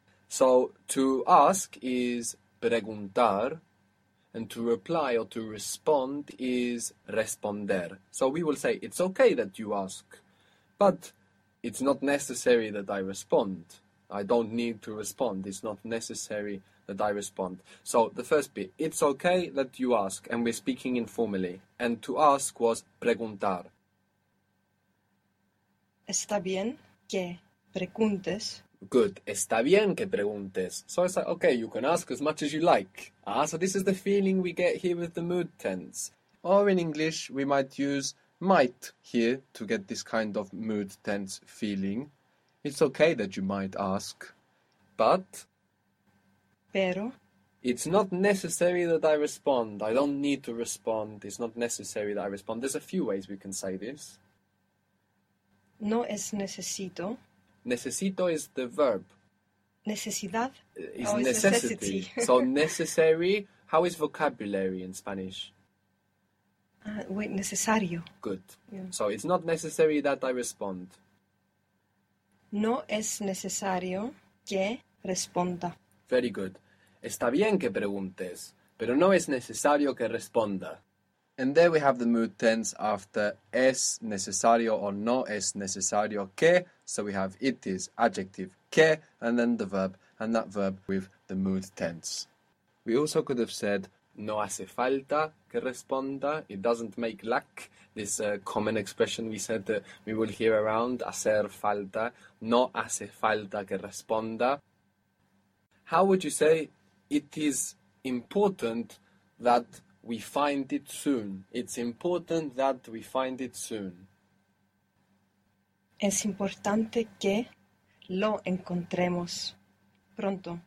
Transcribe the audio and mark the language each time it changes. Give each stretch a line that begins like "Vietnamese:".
English: So to ask is preguntar, and to reply or to respond is responder. So we will say, it's okay that you ask. But It's not necessary that I respond. I don't need to respond. It's not necessary that I respond. So the first bit, it's okay that you ask, and we're speaking informally. And to ask was preguntar.
Spanish: Está bien que preguntes.
English: Good.
Spanish: Está bien que preguntes.
English: So it's like, okay, you can ask as much as you like. Ah, so this is the feeling we get here with the mood tense. Or in English, we might use might here to get this kind of mood tense feeling. It's okay that you might ask, but...
Spanish: Pero...
English: It's not necessary that I respond. I don't need to respond. It's not necessary that I respond. There's a few ways we can say this.
Spanish: No es necesito.
English: Necesito is the verb.
Spanish: Necesidad.
English: Is oh, necessity. It's necessity. So necessary, how is vocabulary in Spanish? Wait,
Spanish: necesario.
English: Good. Yeah. So it's not necessary that I respond.
Spanish: No es necesario que responda.
English: Very good.
Spanish: Está bien que preguntes, pero no es necesario que responda.
English: And there we have the mood tense after es necesario or
Spanish: no es necesario que.
English: So we have it is, adjective, que, and then the verb, and that verb with the mood tense.
Spanish: We also could have said no hace falta que responda.
English: It doesn't make lack. This common expression we said that we will hear around,
Spanish: hacer falta, no hace falta que responda.
English: How would you say it is important that we find it soon? It's important that we find it soon.
Spanish: Es importante que lo encontremos pronto.